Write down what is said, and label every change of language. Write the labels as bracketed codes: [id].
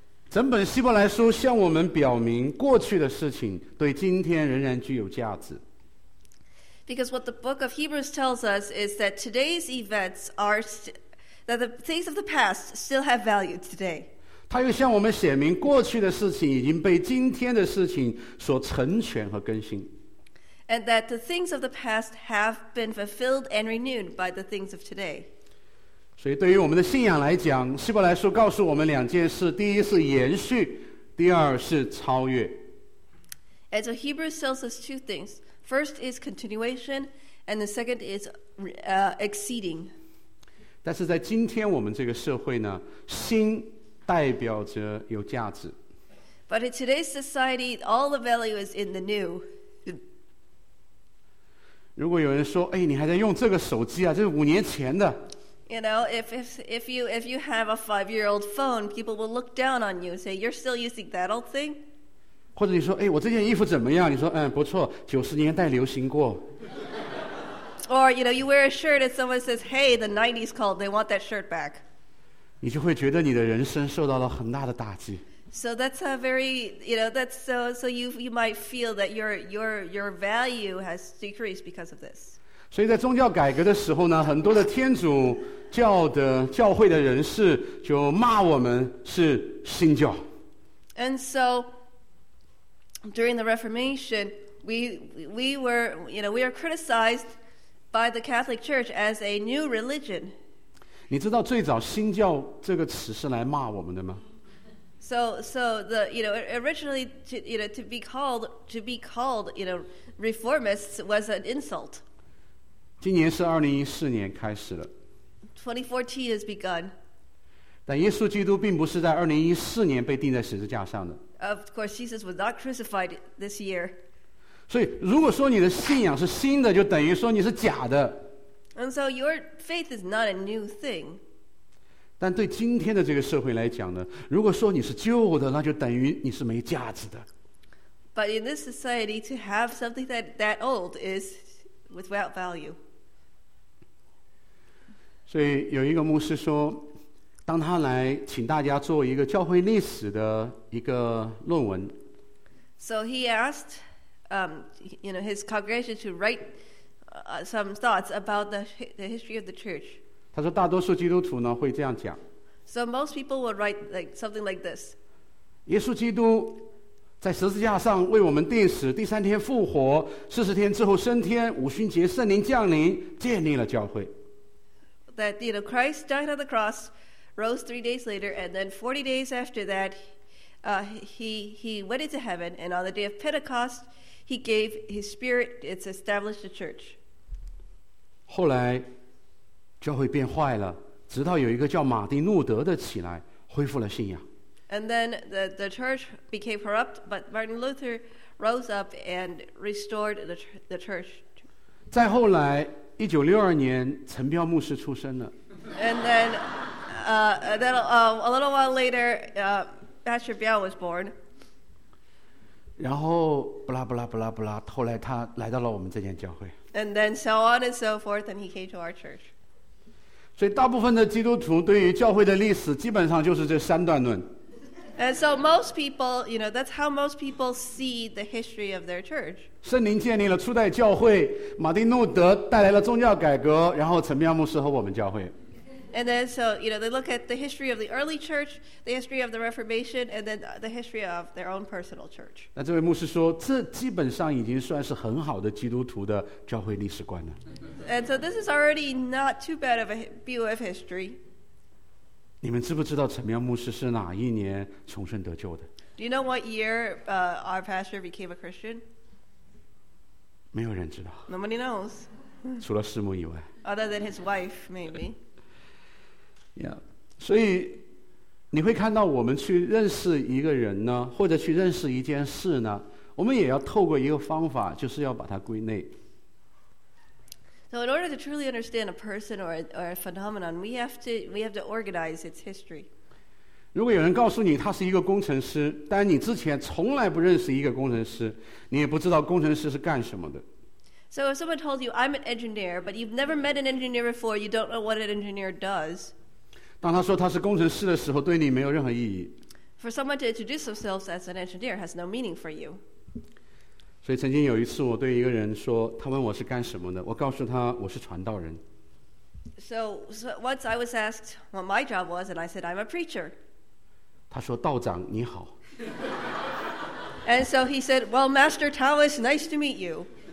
[zh] 整本希伯来书向我们表明，过去的事情对今天仍然具有价值。 [en] Because what the book of Hebrews tells us is that today's events are that the things of the past still have value today. [zh] 它又向我们显明，过去的事情已经被今天的事情所成全和更新。 [en] And that the things of the past have been fulfilled and renewed by the things of today. [zh] 所以对于我们的信仰来讲，希伯来书告诉我们两件事，第一是延续，第二是超越。 [en] And so Hebrews tells us two things. First is continuation, and the second is exceeding. [zh] 但是在今天我们这个社会呢，新代表着有价值。 [en] But in today's society, all the value is in the new. [zh] 如果有人说，哎，你还在用这个手机啊，这是五年前的。 [en] You know, if you have a five-year-old phone, people will look down on you and say, you're still using that old thing? [zh] 或者你说，哎，我这件衣服怎么样？你说，嗯，不错，90年代流行过。 [en] Or, you know, you wear a shirt and someone says, hey, the 90s called, they want that shirt back. [zh] 你就会觉得你的人生受到了很大的打击。 [en] So that's a very, you know, that's so you might feel that your value has decreased because of this. [zh] 所以在宗教改革的时候呢，很多的天主教的教会的人士就骂我们是新教。 [en] And so, during the Reformation, we are criticized by the Catholic Church as a new religion. [zh] 你知道最早新教这个词是来骂我们的吗 [en] ？So the you know originally to, you know to be called you know reformists was an insult. [zh] 今年是2014年开始了。 [en] 2014 has begun. [zh] 但耶稣基督并不是在2014年被钉在十字架上的。 [en] Of course, Jesus was not crucified this year. [zh] 所以如果说你的信仰是新的，就等于说你是假的。 [en] And so your faith is not a new thing. [zh] 但对今天的这个社会来讲呢，如果说你是旧的，那就等于你是没价值的。 [en] But in this society, to have something that old is without value. [zh] 所以有一个牧师说，当他来请大家做一个教会历史的一个论文。 [en] So he asked, you know, his congregation to write some thoughts about the history of the church. [zh] 他说大多数基督徒呢会这样讲。 [en] So most people will write like something like this. [zh] 耶稣基督在十字架上为我们钉死，第三天复活，40天之后升天，五旬节圣灵降临，建立了教会。 [en] That you know, Christ died on the cross, rose 3 days later, and then 40 days after that, he went into heaven, and on the day of Pentecost, he gave his Spirit. It's established the church. [zh] 后来，教会变坏了，直到有一个叫马丁路德的起来，恢复了信仰。 [en] And then the church became corrupt, but Martin Luther rose up and restored the church. [zh] 再后来1962年陈彪牧师出生了。 [en] And then, a little while later, Pastor Biao was born. [zh] 然后不啦不啦不啦不啦，后来他来到了我们这间教会。 [en] And then so on and so forth, and he came to our church. [zh] 所以大部分的基督徒对于教会的历史基本上就是这三段论。 [en] And so most people, you know, that's how most people see the history of their church. [zh] 圣灵建立了初代教会，马丁路德带来了宗教改革，然后陈彪牧师和我们教会。 [en] And then so, you know, they look at the history of the early church, the history of the Reformation, and then the history of their own personal church. [zh] 那这位牧师说，这基本上已经算是很好的基督徒的教会历史观了。 [en] And so this is already not too bad of a view of history. [zh] 你们知不知道陈彪牧师是哪一年重生得救的？ [en] Do you know what year our pastor became a Christian? [zh] 没有人知道。 [en] Nobody knows. [zh] 除了师母以外。 [en] Other than his wife, maybe. Yeah. [zh] 所以你会看到我们去认识一个人呢，或者去认识一件事呢，我们也要透过一个方法，就是要把它归类。 [en] So in order to truly understand a person or a phenomenon, we have to organize its history. [zh] 如果有人告诉你他是一个工程师，但你之前从来不认识一个工程师，你也不知道工程师是干什么的。 [en] So if someone told you I'm an engineer, but you've never met an engineer before, you don't know what an engineer does. [zh] 当他说他是工程师的时候，对你没有任何意义。 [en] For someone to introduce themselves as an engineer has no meaning for you. [zh] 所以曾经有一次我对一个人说，他问我是干什么的，我告诉他我是传道人。 [en] So once I was asked what my job was, and I said I'm a preacher. [zh] 他说道长你好。 [en] And so he said, well, Master Taoist, nice to meet you.